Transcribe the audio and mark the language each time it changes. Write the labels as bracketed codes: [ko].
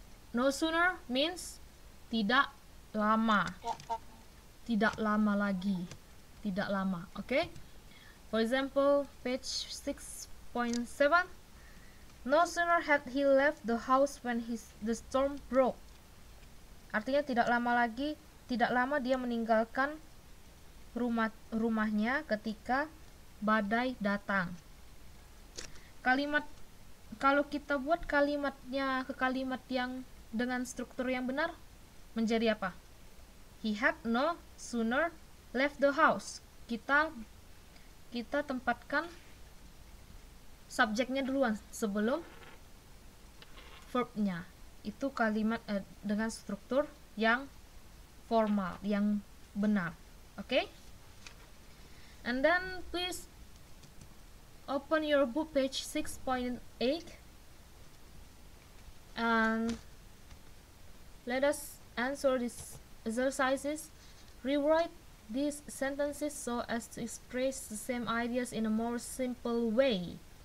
[en] No sooner means [id] tidak lama. Tidak lama lagi. Tidak lama, okay? [en] For example, page 6.7. No sooner had he left the house when the storm broke. [id] Artinya tidak lama lagi, tidak lama dia meninggalkan rumahnya ketika badai datang. Kalimat, kalau kita buat kalimatnya ke kalimat yang dengan struktur yang benar, menjadi apa? [en] He had no sooner left the house. [id] Kita tempatkan subjeknya duluan sebelum verbnya. Itu kalimat dengan struktur yang formal, yang benar. [en] Okay? And then please open your book page 6.8 and let us answer these exercises. Rewrite these sentences so as to express the same ideas in a more simple way.